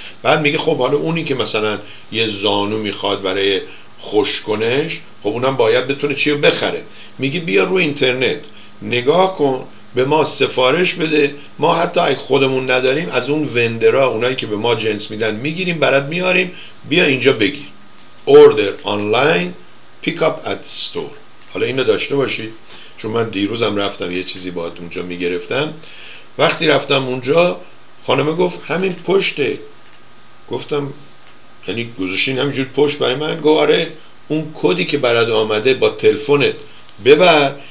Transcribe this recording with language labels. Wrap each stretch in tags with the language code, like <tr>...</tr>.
<fa>بعد میگه خب حالا اونی که مثلا یه زانو میخواد برای خوشکنش، خب اونم باید بتونه چیو بخره. میگه بیا رو اینترنت نگاه کن، به ما سفارش بده، ما حتی اگه خودمون نداریم از اون وندرها اونایی که به ما جنس میدن میگیریم برات میاریم، بیا اینجا بگیر.</fa> <en>Order online pick up at store.</en> <fa>حالا اینو داشته باشید، چون من دیروزم رفتم یه چیزی باید اونجا میگرفتم، وقتی رفتم اونجا خانمه گفت همین پشته، گفتم یعنی گذاشتین همینجور پشت برای من؟ گفت آره، اون کدی که برات آمده با تلفنت ببر.</fa>